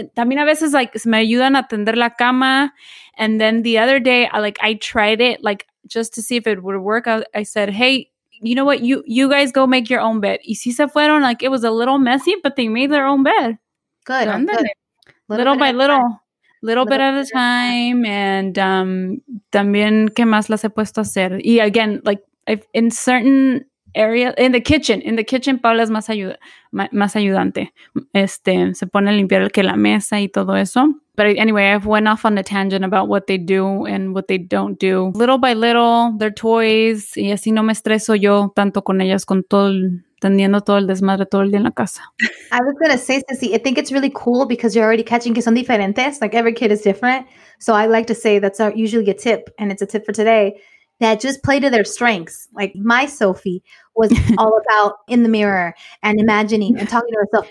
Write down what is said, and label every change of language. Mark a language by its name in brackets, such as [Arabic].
[Spanish] También a veces, like, me ayudan a tender la cama. [English] And then the other day, I tried it, like, just to see if it would work. I said, hey, you know what? You guys go make your own bed. [Spanish] Y si se fueron, [English] like, it was a little messy, but they made their own bed. Good. Good. Little bit at a time. And [Spanish] también, ¿qué más las he puesto a hacer? [English] Y again, like, if in certain areas, in the kitchen, Paula's [Spanish] más ayudante. Se pone a limpiar que la mesa y todo eso. [English] But anyway, I've went off on a tangent about what they do and what they don't do. Little by little, their toys. [Spanish] Y así no me estreso yo tanto con ellas, con tendiendo todo el desmadre todo el día en la casa. [English] I was going to say, Ceci, I think it's really cool because you're already catching [Spanish] que son diferentes. [English] Like, every kid is different. So I like to say that's usually a tip, and it's a tip for today, that just play to their strengths. Like, my Sophie was all about in the mirror and imagining and talking to herself.